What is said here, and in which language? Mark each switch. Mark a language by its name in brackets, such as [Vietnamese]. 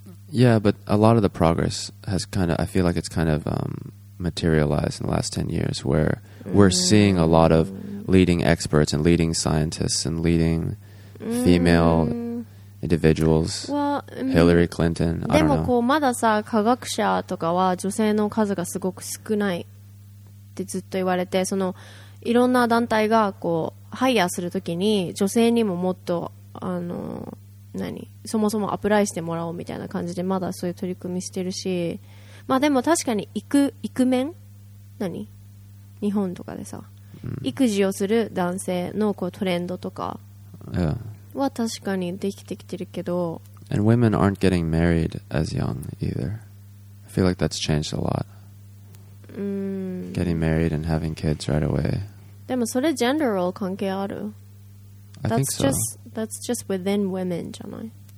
[English] Yeah, but a lot of the progress has kind of, I feel like it's kind of materialized in the last 10 years, where we're seeing a lot of leading experts and leading scientists and leading female individuals. Well, Hillary Clinton. [Japanese] でもこうまださ、科学者とかは女性の数がすごく少ないってずっと言われて、そのいろんな団体がこうハイヤーするときに女性にももっとあの何そもそもアプライしてもらおうみたいな感じでまだそういう取り組みしてるし、まあでも確かに育面何日本とかでさ、育児をする男性のこうトレンドとかは確かにできてきてるけど、 [English] And women aren't getting married as young either. I feel like that's changed a lot. Getting married and having kids right away. [Japanese] でもそれ gender role 関係ある? [English] I think so. That's just within women, [Japanese] じゃない?